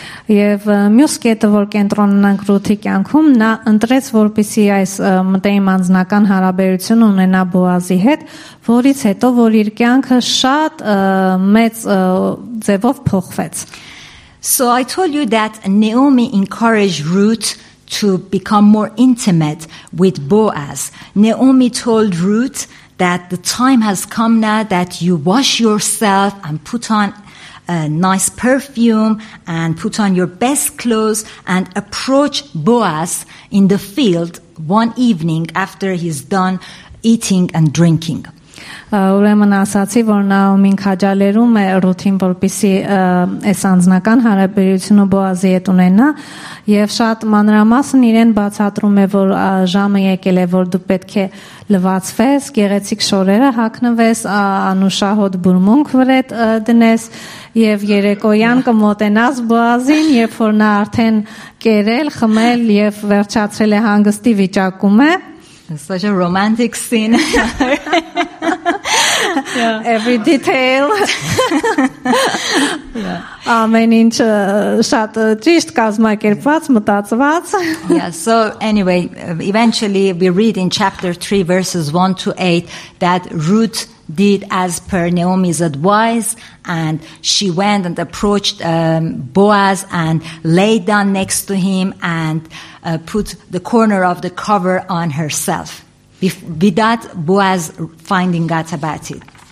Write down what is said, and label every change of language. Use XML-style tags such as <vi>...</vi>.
<hy>Եվ մյուս կետը, որ կենտրոնանանք Ռութի կյանքում, նա ընտրեց, որպեսի այս մտերիմ անձնական հարաբերություն ունենա Բոազի հետ, որից հետո որ իր կյանքը շատ մեծ ձևով փոխվեց.</hy> <en>So I told you that Naomi encouraged Ruth to become more intimate with Boaz. Naomi told Ruth that the time has come now that you wash yourself and put on a nice perfume and put on your best clothes and approach Boaz in the field one evening after he's done eating and drinking.</en> <hy>Ուրեմն ասացի, որ Նաոմին քաջալերում է Ռութին, որպեսի այս անձնական հարաբերությունը Բոազի հետ ունենա, եւ շատ մանրամասն իրեն բացատրում է, որ ժամը եկել է, որ դու պետք է լվացվես, գեղեցիկ շորերը հագնվես, անուշահոտ բուրմունք վրետ դնես, եւ երեկոյան կմոտենաս Բոազին, երբ որ նա արդեն կերել, խմել եւ վերջացրել է հանգստի վիճակումը.</hy> <en>It's such a romantic scene. Every detail.</en> <hy>Ամեն ինչ շատ ճիշտ կազմակերպված, մտածված.</hy> <en>Yeah, so anyway, eventually we read in chapter 3, verses 1 to 8, that Ruth did as per Naomi's advice, and she went and approached Boaz and lay down next to him and put the corner of the cover on herself, without Boaz finding out about it.</en>